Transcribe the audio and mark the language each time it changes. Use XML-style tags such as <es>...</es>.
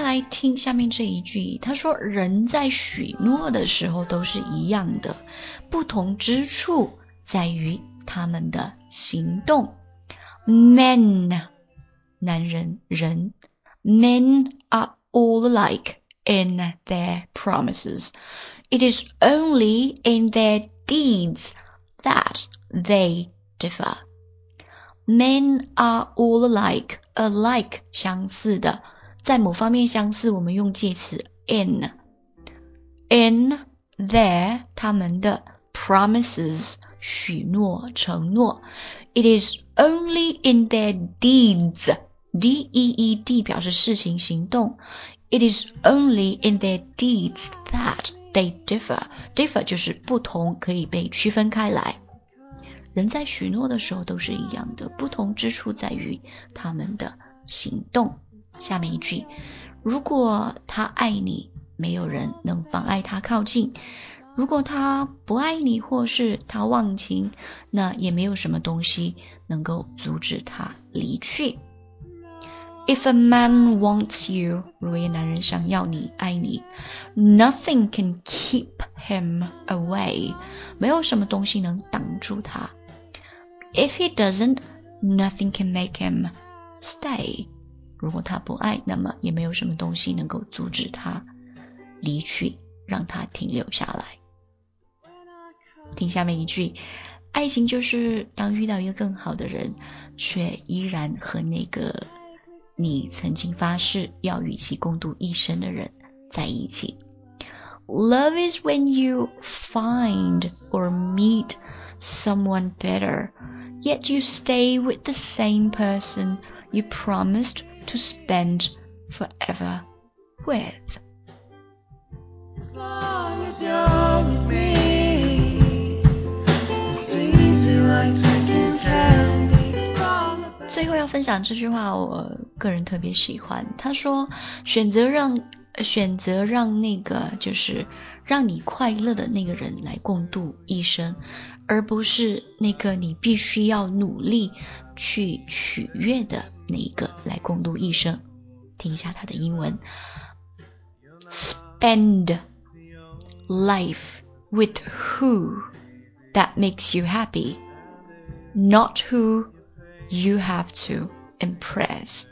<zh>听下面这一句，他说人在许诺的时候都是一样的，不同之处在于他们的行动。</zh> <en>Men</en> <zh>男人人</zh> <en>Men are all alike in their promises. It is only in their deeds that they differ. Men are all alike, alike</en> <zh>相似的，在某方面相似，我们用介词 in.</zh> <en>In their</en> <zh>他们的 promises 许诺承诺。</zh> <en>It is only in their deeds.</en> <zh>D-E-E-D 表示事情行动。</zh> <en>It is only in their deeds that they differ.</en> <zh>Differ 就是不同，可以被区分开来。人在许诺的时候都是一样的，不同之处在于他们的行动。下面一句，如果他爱你，没有人能妨碍他靠近。如果他不爱你，或是他忘情，那也没有什么东西能够阻止他离去。</zh> <en>If a man wants you,</en> <zh>如果一个男人想要你，爱你，</zh> <en>nothing can keep him away,</en> <zh>没有什么东西能挡住他。</zh> <en>If he doesn't, nothing can make him stay.</en> <zh>如果他不爱，那么也没有什么东西能够阻止他离去，让他停留下来。听下面一句，爱情就是当遇到一个更好的人，却依然和那个你曾经发誓要与其共度一生的人在一起。</zh> <en>Love is when you find or meet someone better, yet you stay with the same person you promisedto spend forever with. As long as you're with me, it's easy like taking candy from a bed.</en> <zh>最后要分享这句话，我个人特别喜欢。他说，选择让选择让那个就是让你快乐的那个人来共度一生，而不是那个你必须要努力去取悦的那一个来共度一生。听一下他的英文</zh> <en>，Spend life with who that makes you happy, not who you have to impress.</en>